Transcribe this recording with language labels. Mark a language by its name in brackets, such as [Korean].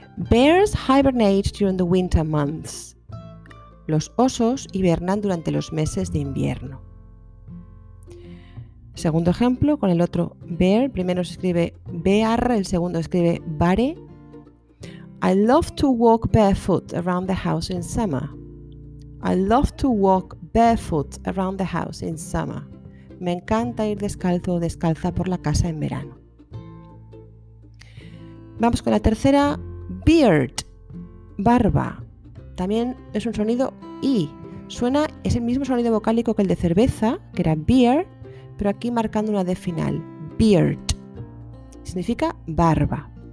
[English] Bears hibernate during the winter months. [Spanish] Los osos hibernan durante los meses de invierno. Segundo ejemplo, con el otro bear, primero se escribe bear, el segundo se escribe bare. [English] I love to walk barefoot around the house in summer. I love to walk barefoot around the house in summer. [Spanish] Me encanta ir descalzo o descalza por la casa en verano. Vamos con la tercera, beard, barba. También es un sonido I. Suena, es el mismo sonido vocálico que el de cerveza, que era beer, pero aquí marcando una D final, beard, significa barba.